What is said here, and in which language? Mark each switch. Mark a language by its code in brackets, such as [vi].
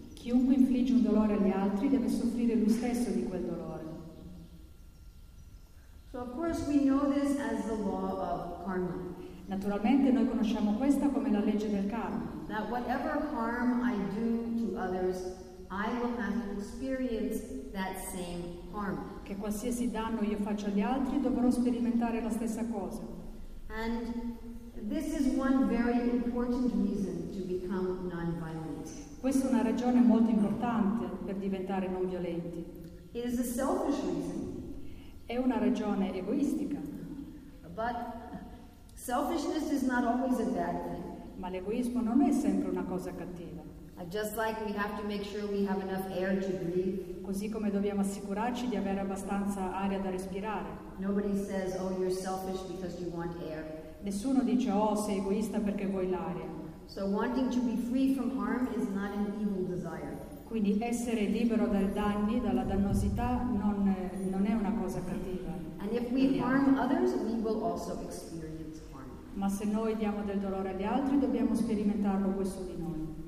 [it] Chiunque infligge un dolore agli altri deve soffrire lui stesso di quel dolore. [en] So of course we know this as the law of karma. [it] Naturalmente noi conosciamo questa come la legge del karma. [en] That whatever harm I do to others, I will have to experience that same harm. [it] Che qualsiasi danno io faccio agli altri, dovrò sperimentare la stessa cosa. [en] And this is one very important reason to become non-violent. [it] Questa è una ragione molto importante per diventare non violenti. [en] It is a selfish reason. [it] È una ragione egoistica. [en] But selfishness is not always a bad thing. [it] Ma l'egoismo non è sempre una cosa cattiva. [en] Just like we have to make sure we have enough air to breathe. [it] Così come dobbiamo assicurarci di avere abbastanza aria da respirare. [en] Nobody says, "Oh, you're selfish because you want air." [it] Nessuno dice, "Oh, sei egoista perché vuoi l'aria." [en] So wanting to be free from harm is not an evil desire. [it] Quindi essere libero dai danni, dalla dannosità, non è una cosa cattiva. [en] And if we harm others, we will also experience harm. [it] Ma se noi diamo del dolore agli altri, dobbiamo sperimentarlo questo di noi.